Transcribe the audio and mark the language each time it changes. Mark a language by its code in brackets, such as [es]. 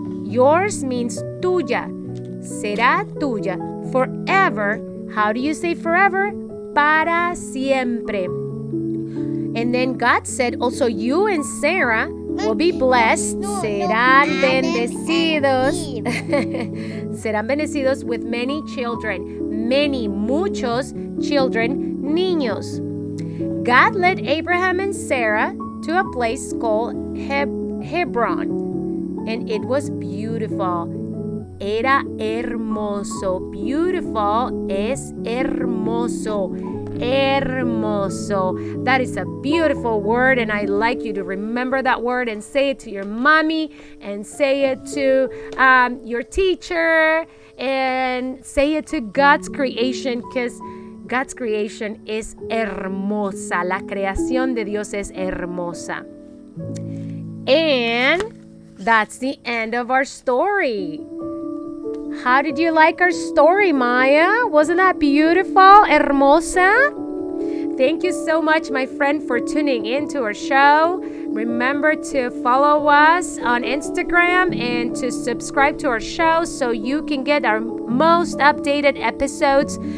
[en] Yours means tuya. [es] Será tuya. [en] Forever. How do you say forever? [es] Para siempre. [en] And then God said, also you and Sarah will be blessed. [es] Serán bendecidos. Serán bendecidos [en] with many children. Many, muchos children, niños. God led Abraham and Sarah to a place called Hebron. And it was beautiful. [es] Era hermoso. Beautiful es hermoso. Hermoso. [en] That is a beautiful word, and I like you to remember that word and say it to your mommy and say it to your teacher and say it to God's creation, because God's creation is hermosa. [es] La creación de Dios es hermosa. [en] And that's the end of our story. How did you like our story, Maya? Wasn't that beautiful, hermosa? Thank you so much, my friend, for tuning into our show. Remember to follow us on Instagram and to subscribe to our show so you can get our most updated episodes.